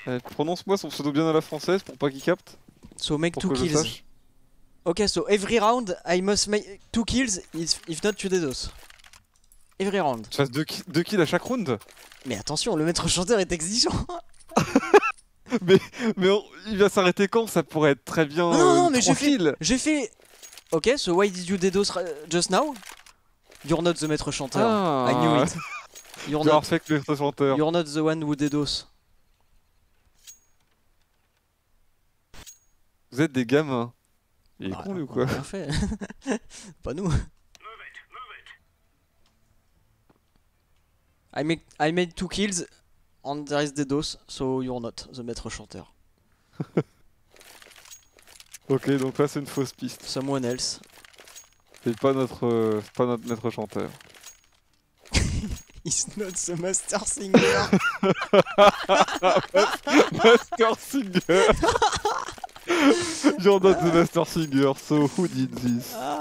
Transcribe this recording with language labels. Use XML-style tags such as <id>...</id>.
<fr>Prononce-moi son pseudo bien à la française pour pas qu'il capte.</fr> <en>So make two kills. Ok, so every round I must make two kills if not two DDoS. Every round.</en> <fr>Tu fasses deux kills à chaque round. Mais attention, le maître chanteur est exigeant. Mais on, il va s'arrêter quand? Ça pourrait être très bien. Non, non, mais trois kills. J'ai fait.</fr> <en>Ok, so why did you DDoS just now? You're not the maître chanteur. Ah, I knew it. You're not</en> <fr>fait le maître chanteur.</fr> <en>You're not the one who DDoS.</en> <fr>Vous êtes des gamins. Il est con lui ou quoi? Bien fait. Pas nous.</fr> <en>I made two kills and there is DDoS, so you're not the maître chanteur.</en> <fr>Ok, donc là c'est une fausse piste.</fr> <en>Someone else.</en> <fr>C'est pas notre maître chanteur.</fr> <en>He's not the master singer. Master singer. You're not the master singer, so who did this?</en>